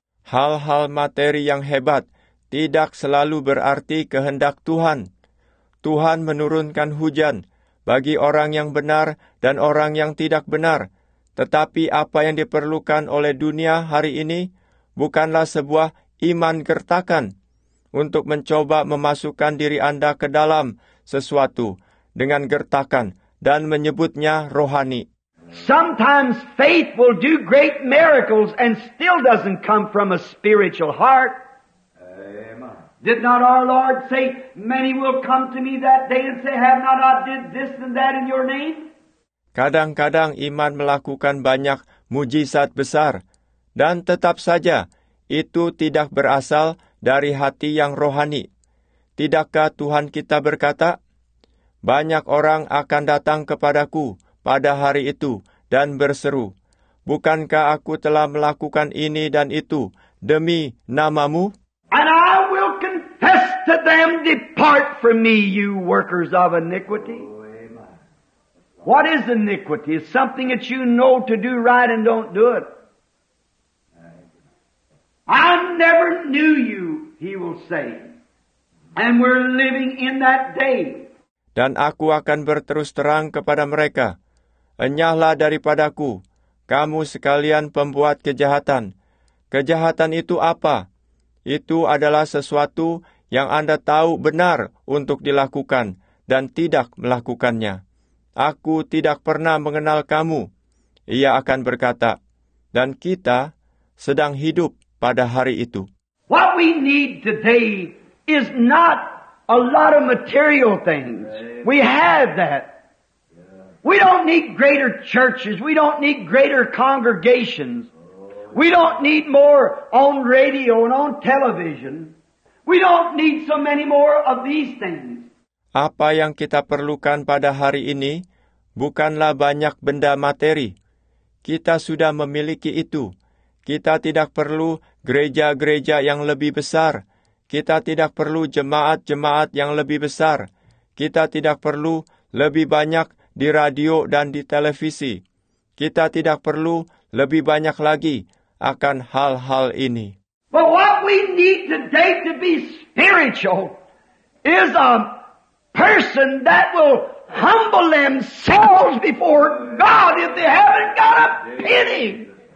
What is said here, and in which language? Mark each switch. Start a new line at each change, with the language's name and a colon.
Indonesian: Hal-hal materi yang hebat tidak selalu berarti kehendak Tuhan. Tuhan menurunkan hujan bagi orang yang benar dan orang yang tidak benar. Tetapi apa yang diperlukan oleh dunia hari ini bukanlah sebuah iman gertakan untuk mencoba memasukkan diri Anda ke dalam sesuatu dengan gertakan dan menyebutnya rohani.
English: Sometimes faith will do great miracles and still doesn't come from a spiritual heart. Amen. Did not our Lord say, many will come to me that day and say, have not I did this and that in your name?
Indonesian: Kadang-kadang iman melakukan banyak mujizat besar, dan tetap saja itu tidak berasal dari hati yang rohani. Tidakkah Tuhan kita berkata, banyak orang akan datang kepadaku pada hari itu dan berseru, bukankah aku telah melakukan ini dan itu demi namamu?
English: And I will confess to them, depart from me, you workers of iniquity. What is iniquity? It's something that you know to do right and don't do it. I never knew you, he will say. And we're living in that day.
Indonesian: Dan aku akan berterus terang kepada mereka. Enyahlah daripadaku, kamu sekalian pembuat kejahatan. Kejahatan itu apa? Itu adalah sesuatu yang Anda tahu benar untuk dilakukan dan tidak melakukannya. Aku tidak pernah mengenal kamu, ia akan berkata, dan kita sedang hidup pada hari itu.
English: What we need today is not a lot of material things. We have that. We don't need greater churches. We don't need greater congregations. We don't need more on radio and on television. We don't need so many more of these things.
Indonesian: Apa yang kita perlukan pada hari ini bukanlah banyak benda materi. Kita sudah memiliki itu. Kita tidak perlu gereja-gereja yang lebih besar. Kita tidak perlu jemaat-jemaat yang lebih besar. Kita tidak perlu lebih banyak di radio dan di televisi. Kita tidak perlu lebih banyak lagi akan hal-hal ini.
English: But what we need today to be spiritual is a person that will humble themselves before God if they haven't got a penny.